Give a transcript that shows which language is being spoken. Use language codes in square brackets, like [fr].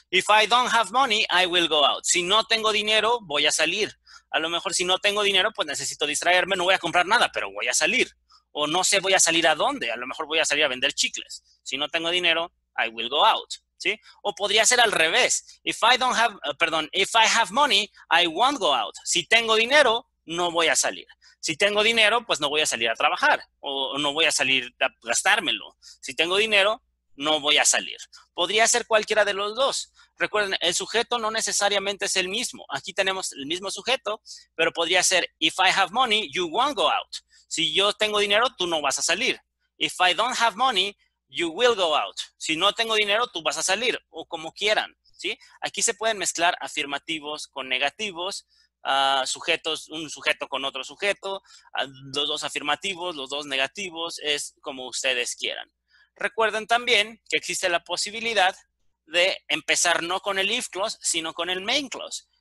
[en] If I don't have money, I will go out. [es] Si no tengo dinero, voy a salir. A lo mejor si no tengo dinero, pues necesito distraerme. No voy a comprar nada, pero voy a salir. O no sé, voy a salir a dónde. A lo mejor voy a salir a vender chicles. Si no tengo dinero, [en] I will go out. [es] ¿Sí? O podría ser al revés. [en] If I don't have, perdón, if I have money, I won't go out. [es] Si tengo dinero, no voy a salir. Si tengo dinero, pues no voy a salir a trabajar. O no voy a salir a gastármelo. Si tengo dinero, no voy a salir. Podría ser cualquiera de los dos. Recuerden, el sujeto no necesariamente es el mismo. Aquí tenemos el mismo sujeto, pero podría ser, [en] if I have money, you won't go out. [es] Si yo tengo dinero, tú no vas a salir. [en] If I don't have money, you will go out. [es] Si no tengo dinero, tú vas a salir. O como quieran, ¿sí? Aquí se pueden mezclar afirmativos con negativos, sujetos, un sujeto con otro sujeto, los dos afirmativos, los dos negativos, es como ustedes quieran. Recuerden también que existe la posibilidad de empezar no con el if clause, sino con el main clause.